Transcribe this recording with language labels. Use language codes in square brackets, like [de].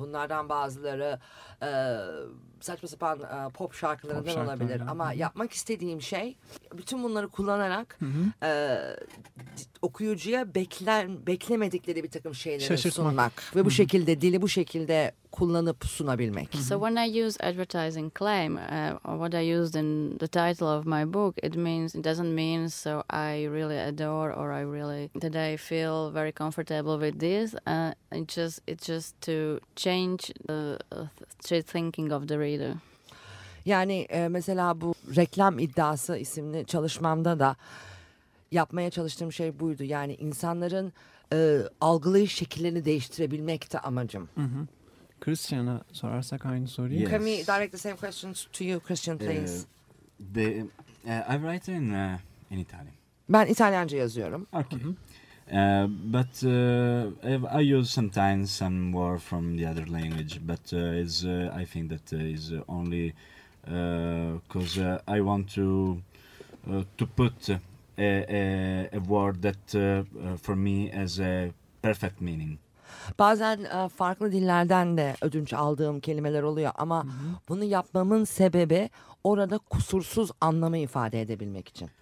[tr] Bunlardan bazıları saçma sapan pop şarkılarından olabilir. Ama yapmak istediğim şey bütün bunları kullanarak okuyucuya beklemedikleri bir takım şeyleri sunmak. Ve bu şekilde dili bu şekilde kullanıp sunabilmek. [en] So when I use advertising claim, what I used in the title of my book, it doesn't mean so I really adore or I really that I feel very comfortable with this. It's just to change the thinking of the reader. [tr] Yani mesela bu reklam iddiası isimli çalışmamda da yapmaya çalıştığım şey buydu. Yani insanların algılayış şekillerini değiştirebilmek de amacım. Mm-hmm. Christiana, sorarsak aynı soruyu. [en] Yes. Can we direct the same questions to you, Christian, please? I write in Italian. [tr] Ben İtalyanca yazıyorum. [en] Okay. But I use sometimes some word from the other language, but I think that is only because I want to put a word that for me has a perfect meaning. [tr] Bazen farklı dillerden de ödünç aldığım kelimeler oluyor ama mm-hmm. bunu yapmamın sebebi orada kusursuz anlamı ifade edebilmek için.